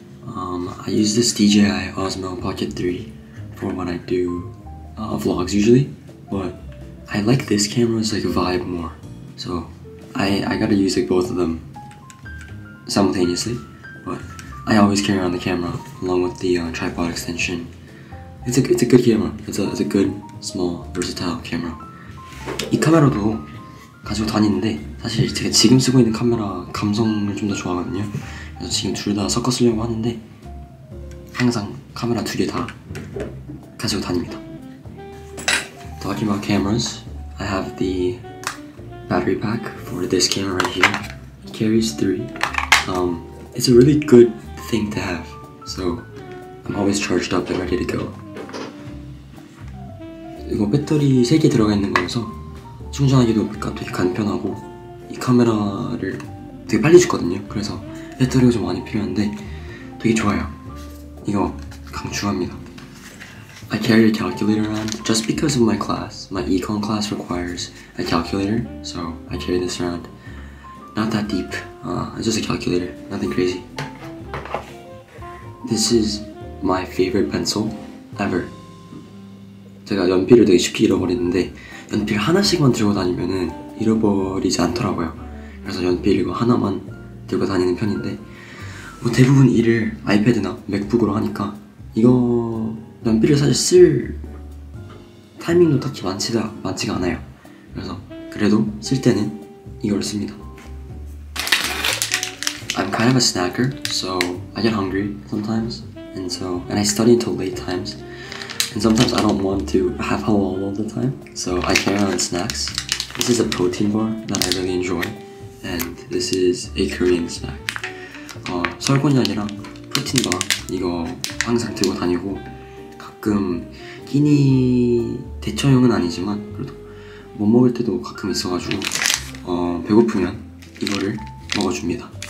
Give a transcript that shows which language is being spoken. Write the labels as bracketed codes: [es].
[en] I use this DJI Osmo Pocket 3 for when I do vlogs usually, but I like this camera's like vibe more. So I gotta use like both of them simultaneously, but I always carry around the camera along with the tripod extension. It's a good camera. It's a good, small, versatile camera. [ko] 이 카메라도 가지고 다니는데 사실 제가 지금 쓰고 있는 카메라 감성을 좀 더 좋아하거든요. 그래서 지금 둘 다 섞어 쓰려고 하는데 항상 카메라 두 개 다 가지고 다닙니다. [en] Talking about cameras, I have the battery pack for this camera right here. It carries 3. It's a really good thing to have. So I'm always charged up and ready to go. [ko] 이거 배터리 3개 들어가 있는 거라서 충전하기도 되게 간편하고 이 카메라를 되게 빨리 줍거든요. 그래서 배터리가 좀 많이 필요한데 되게 좋아요. 이거 강추합니다. [en] I carry a calculator around just because of my class. My econ class requires a calculator, so I carry this around. Not that deep. It's just a calculator. Nothing crazy. This is my favorite pencil ever. [ko] 제가 연필을 되게 쉽게 잃어버리는데 연필 하나씩만 들고 다니면은 잃어버리지 않더라고요. 그래서 연필 이거 하나만 들고 다니는 편인데 뭐 대부분 일을 아이패드나 맥북으로 하니까 이거 연필을 사실 쓸 타이밍도 딱히 많지가 않아요. 그래서 그래도 쓸 때는 이걸 씁니다. [en] I'm kind of a snacker, so I get hungry sometimes, and I study until late times. And sometimes I don't want to have halal all the time, so I carry on snacks. This is a protein bar that I really enjoy, and this is a Korean snack. [ko] 설거지하기랑 프로틴 바 이거 항상 들고 다니고 가끔 끼니 대처용은 아니지만 그래도 못 먹을 때도 가끔 있어가지고 배고프면 이거를 먹어줍니다.